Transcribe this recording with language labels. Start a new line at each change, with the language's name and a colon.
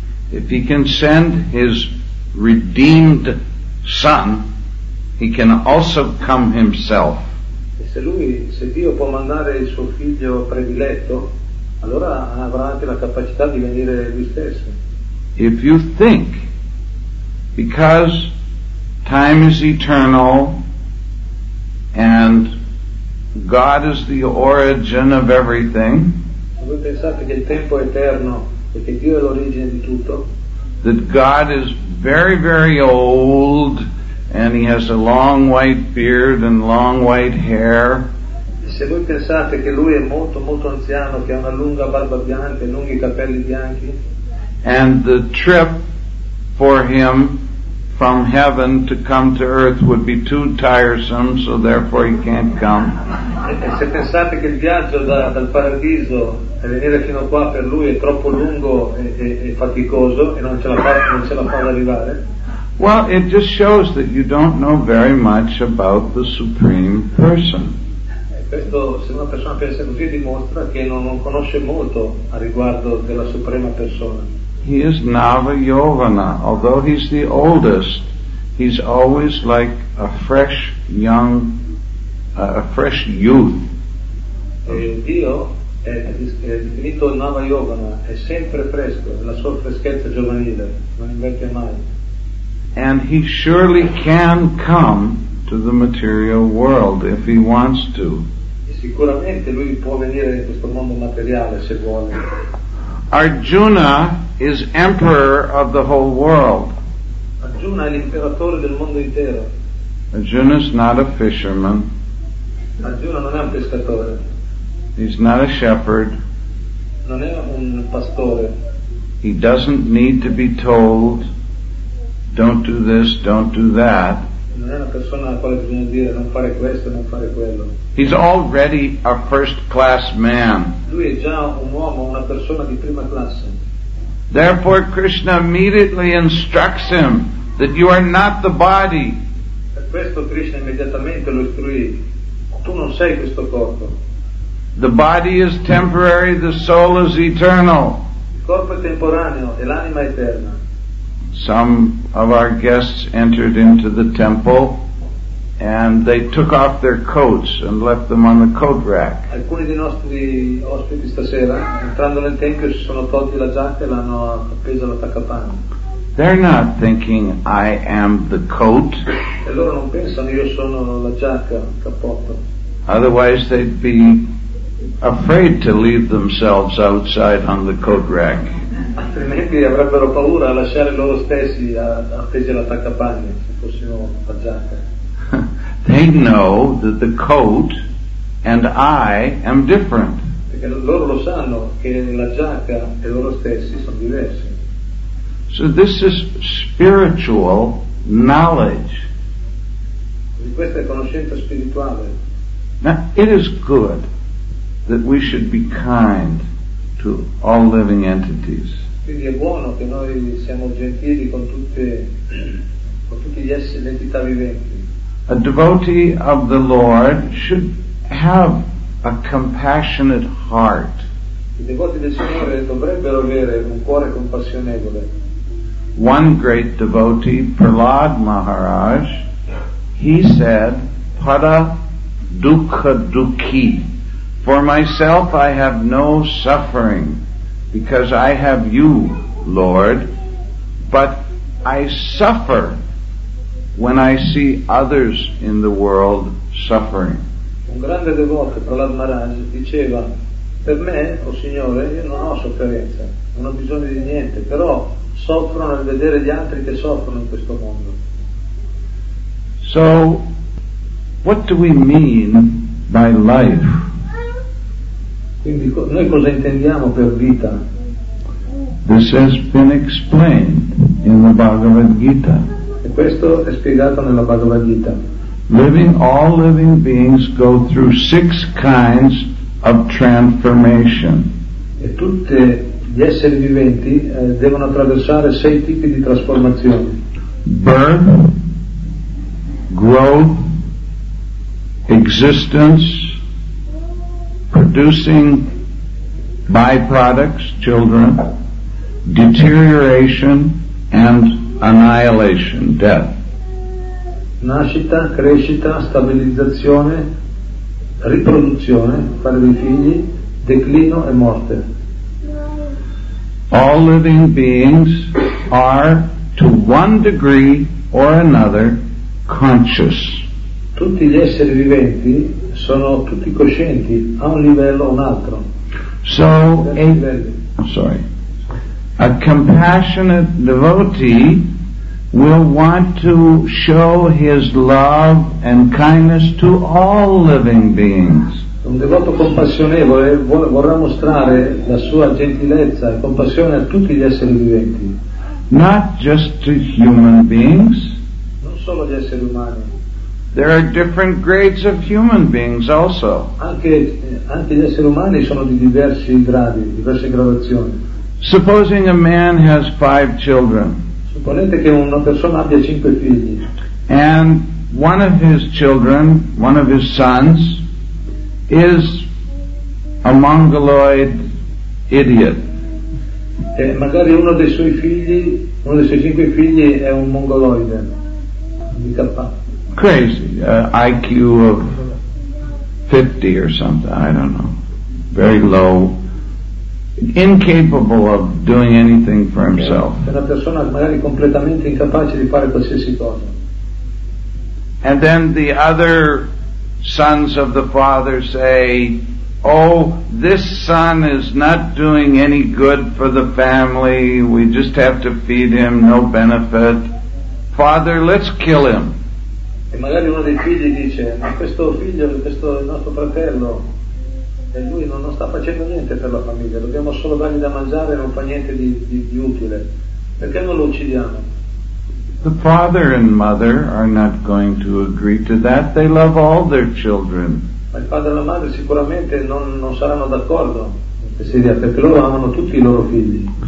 English: If he can send his redeemed son, he can also come himself.
Italian: E se Dio può mandare il suo figlio prediletto, allora avrà anche la capacità di venire lui stesso.
English: If you think, because time is eternal and God is the origin of everything,
Italian: voi pensate che il tempo è eterno e che Dio è l'origine di tutto,
English: that God is very, very old and he has a long white beard and long white hair,
Italian: se voi pensate che lui è molto, molto anziano, che ha una lunga barba bianca e lunghi capelli bianchi,
English: and the trip for him from heaven to come to earth would be too tiresome, so therefore he can't come.
Italian: E se pensate che il viaggio dal paradiso a venire fino qua per lui è troppo lungo e faticoso e non ce la fa ad arrivare.
English: Well, it just shows that you don't know very much about the Supreme Person.
Italian: questo, se una persona pensa così, dimostra che non conosce molto a riguardo della suprema persona.
English: He is Navayovana, although he's the oldest, he's always like a fresh young, a fresh youth.
Italian: Dio è definito Navayovana, è sempre fresco, la sua freschezza giovanile, non invecchia mai.
English: And he surely can come to the material world if he wants to.
Italian: E sicuramente lui può venire in questo mondo materiale se vuole.
English: Arjuna is emperor of the whole world.
Italian: Arjuna è l'imperatore del mondo intero.
English: Arjuna is not a fisherman.
Italian: Arjuna non è un pescatore.
English: He's not a shepherd.
Italian: Non è un pastore.
English: He doesn't need to be told, don't do this, don't do that.
Italian: Non è una persona alla quale bisogna dire non fare questo, non fare quello.
English: He's already a first class man.
Italian: Lui è già un uomo, una persona di prima classe.
English: Therefore Krishna immediately instructs him that you are not the body.
Italian: Per questo Krishna immediatamente lo istruì. Tu non sei questo corpo.
English: The body is temporary, the soul is eternal.
Italian: Il corpo è temporaneo e l'anima è eterna.
English: Some of our guests entered into the temple and they took off their coats and left them on the coat rack.
Italian: Alcuni dei nostri ospiti stasera, entrando nel tempio, si sono tolti la giacca e l'hanno appesa alla taccapanna.
English: They're not thinking I am the coat.
Italian: E loro non pensano io sono la giacca, il cappotto.
English: Otherwise they'd be afraid to leave themselves outside on the coat rack.
Italian: Altrimenti avrebbero paura a lasciare loro stessi appesi alla taccapanna se fossero la giacca.
English: They know that the coat and I am different.
Italian: Perché loro lo sanno che la giacca e loro stessi sono diversi.
English: So this is spiritual knowledge.
Italian: E questa è conoscenza spirituale.
English: Now, it is good that we should be kind to all living entities.
Italian: Quindi è buono che noi siamo gentili con tutte, con tutti gli esseri, le entità viventi.
English: A devotee of the Lord should have a compassionate heart.
Italian: I devoti del Signore dovrebbero avere un cuore compassionevole.
English: One great devotee, Prahlad Maharaj, he said,
Sanskrit: "Pada dukkha dukhi.
English: For myself I have no suffering, because I have you, Lord, but I suffer when I see others in the world suffering."
Italian: Un grande devoto, Prahlad Maharaj, diceva, per me, o Signore, io non ho sofferenza, non ho bisogno di niente, però soffro nel vedere gli altri che soffrono in questo mondo.
English: So, what do we mean by life?
Italian: Quindi noi cosa intendiamo per vita?
English: This has been explained in the Bhagavad Gita.
Italian: E questo è spiegato nella Bhagavad Gita.
English: Living, all living beings go through six kinds of transformation.
Italian: E tutti gli esseri viventi devono attraversare sei tipi di trasformazione.
English: Birth, growth, existence, producing byproducts, children, deterioration, and annihilation, death.
Italian: Nascita, crescita, stabilizzazione, riproduzione, fare dei figli, declino e morte.
English: All living beings are, to one degree or another, conscious.
Italian: Tutti gli esseri viventi sono tutti coscienti a un livello o un altro.
English: So, a compassionate devotee will want to show his love and kindness to all living beings.
Italian: Un devoto compassionevole vorrà mostrare la sua gentilezza e compassione a tutti gli esseri viventi.
English: Not just to human beings.
Italian: Non solo gli esseri umani.
English: There are different grades of human beings also.
Italian: Anche gli esseri umani sono di diversi gradi, diverse gradazioni.
English: Supposing a man has five children.
Italian: Supponete che una persona abbia cinque figli.
English: And one of his children, one of his sons, is a mongoloid idiot.
Italian: Magari uno dei suoi figli, uno dei suoi cinque figli è un mongoloide.
English: Crazy, IQ of 50 or something, I don't know. Very low. Incapable of doing anything for himself.
Italian: È una persona magari completamente incapace di fare qualsiasi cosa.
English: And then the other sons of the father say, oh, this son is not doing any good for the family, we just have to feed him, no benefit. Father, let's kill him.
Italian: E magari uno dei figli dice, ma questo figlio, questo è il nostro fratello, e lui non sta facendo niente per la famiglia, dobbiamo solo dargli da mangiare e non fa niente di utile. Perché non lo uccidiamo?
English: The father and mother are not going to agree to that. They love all their children.
Italian: Ma il padre e la madre sicuramente non saranno d'accordo in questa idea, perché loro amano tutti i loro figli.